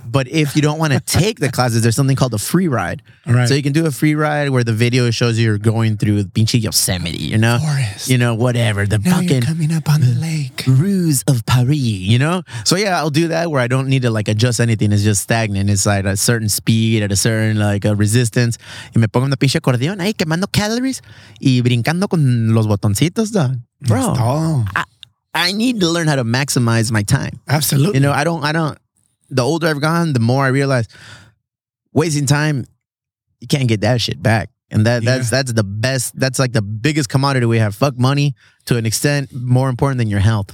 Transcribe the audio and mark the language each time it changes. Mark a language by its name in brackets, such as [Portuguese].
[English] But if you don't want to take the classes, there's something called a free ride. Right. So you can do a free ride where the video shows you're going through Pinche Yosemite, you know? Forest. You know, whatever. The now fucking you're coming up on the lake. Ruse of Paris, you know? So yeah, I'll do that where I don't need to, like, adjust anything. It's just stagnant. It's like a certain speed at a certain, like, a resistance. [Spanish] Y me pongo una pinche acordeón ahí quemando calories y brincando con los botoncitos, dog. [English] Bro. I need to learn how to maximize my time. Absolutely. You know, I don't, the older I've gone, the more I realize wasting time, you can't get that shit back. And that's the best, that's like the biggest commodity we have. Fuck money to an extent more important than your health.